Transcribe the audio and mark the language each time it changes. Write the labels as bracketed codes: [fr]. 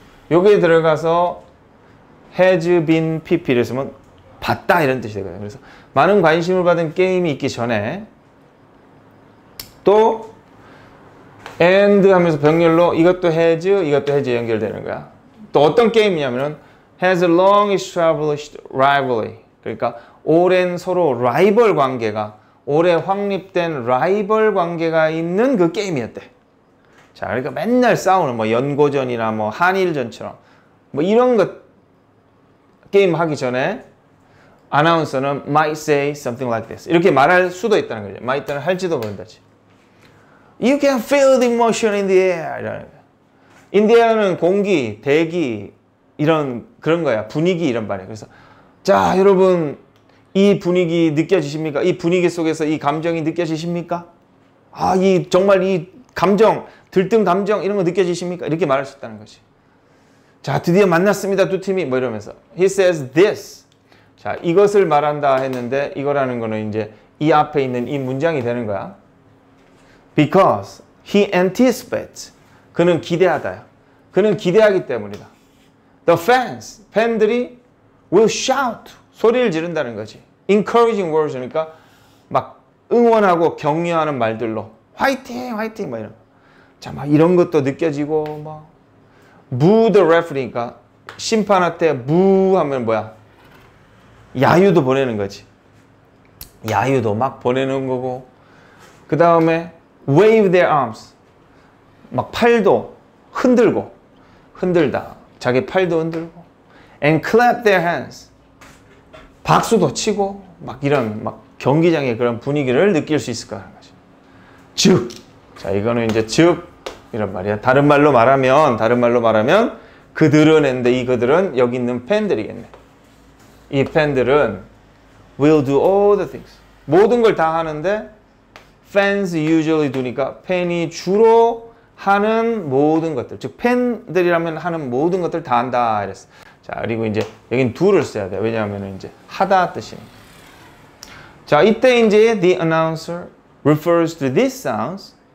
[ko] 여기에 들어가서 has been PP를 쓰면 봤다 이런 뜻이 되거든. 그래서 많은 관심을 받은 게임이 있기 전에 또 and 하면서 병렬로 이것도 has 연결되는 거야. 또 어떤 게임이냐면은 [en] has a long established rivalry. [ko] 그러니까 오랜 서로 라이벌 관계가 오래 확립된 라이벌 관계가 있는 그 게임이었대. 자, 그러니까 맨날 싸우는 뭐 연고전이나 뭐 한일전처럼 뭐 이런 것 게임 하기 전에 아나운서는 [en] might say something like this [ko] 이렇게 말할 수도 있다는 거죠. might 는 할지도 모른다지. [en] You can feel the emotion in the air. [ko] 인디아는 공기, 대기 이런 그런 거야. 분위기 이런 말이야. 그래서 자, 여러분 이 분위기 느껴지십니까? 이 분위기 속에서 이 감정이 느껴지십니까? 아, 이 정말 이 감정, 들뜬 감정 이런 거 느껴지십니까? 이렇게 말할 수 있다는 거지. 자, 드디어 만났습니다, 두 팀이. 뭐 이러면서. [en] He says this. [ko] 자, 이것을 말한다 했는데, 이거라는 거는 이제 이 앞에 있는 이 문장이 되는 거야. [en] Because he anticipates. [ko] 그는 기대하다야. 그는 기대하기 때문이다. [en] The fans, [ko] 팬들이 [en] will shout. [ko] 소리를 지른다는 거지. [en] Encouraging words [ko] 니까, 막 응원하고 격려하는 말들로. 화이팅! 화이팅! 막 이런. 자, 막 이런 것도 느껴지고, 막. [en] Boo the referee [ko] 니까 심판한테 Boo 하면 뭐야? 야유도 보내는 거지. 야유도 막 보내는 거고. 그 다음에 [en] wave their arms. [ko] 막 팔도 흔들고. 흔들다. 자기 팔도 흔들고. [en] And clap their hands. [ko] 박수도 치고. 막 이런 막 경기장의 그런 분위기를 느낄 수 있을 거라는 거지. 즉. 자, 이거는 이제 즉. 이런 말이야. 다른 말로 말하면 그들은 했는데 이 그들은 여기 있는 팬들이겠네. 이 팬들은 [en] will do all the things. [ko] 모든 걸다 하는데 [en] fans usually do [ko] 니까 팬이 주로 하는 모든 것들. 즉 팬들이라면 하는 모든 것들 다 한다 이랬어. 자, 그리고 이제 여긴 do를 써야 돼. 왜냐하면 이제 하다 뜻이니까. 자, 이때 이제 [en] the announcer refers to these sounds.